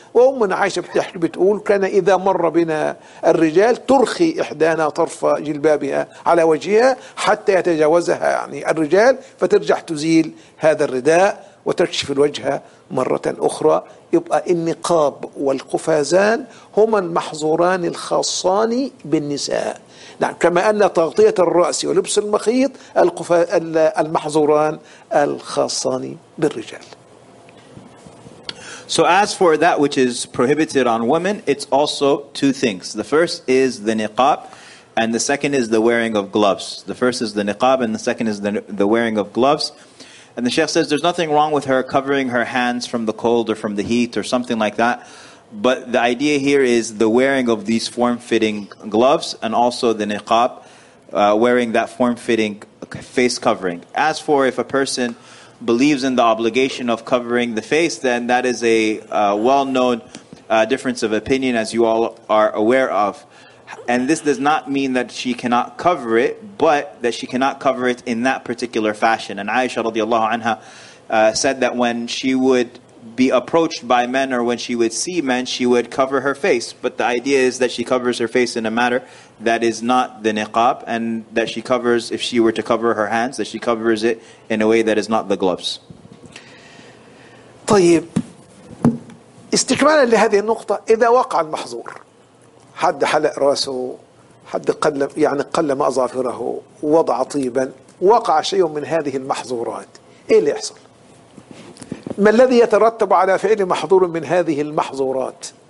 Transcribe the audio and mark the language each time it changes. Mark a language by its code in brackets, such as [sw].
[ar] وأم عائشة بتقول كان إذا مر بنا الرجال ترخي إحدانا طرف جلبابها على وجهها حتى يتجاوزها يعني الرجال، فترجع تزيل هذا الرداء وتكشف الوجه مرة أخرى. يبقى النقاب والقفازان هما المحظوران الخاصان بالنساء، نعم، كما أن تغطية الرأس ولبس المخيط المحظوران الخاصان بالرجال. [en] So as for that which is prohibited on women, it's also two things. The first is the niqab, and the second is the wearing of gloves. The first is the niqab, and the second is the wearing of gloves. And the Sheikh says there's nothing wrong with her covering her hands from the cold or from the heat or something like that. But the idea here is the wearing of these form-fitting gloves, and also the niqab, wearing that form-fitting face covering. As for if a person believes in the obligation of covering the face, then that is a well-known difference of opinion, as you all are aware of. And this does not mean that she cannot cover it, but that she cannot cover it in that particular fashion. And Aisha radiallahu anha said that when she would be approached by men, or when she would see men, she would cover her face. But the idea is that she covers her face in a manner that is not the niqab, and that she covers, if she were to cover her hands, that she covers it in a way that is not the gloves. [ar] طيب استكمالا لهذه النقطة إذا وقع المحظور حد حلق رأسه حد قلم يعني قلم أظافره وضع طيبا وقع شيء من هذه المحظورات إيه اللي يحصل؟ ما الذي يترتب على فعل محظور من هذه المحظورات؟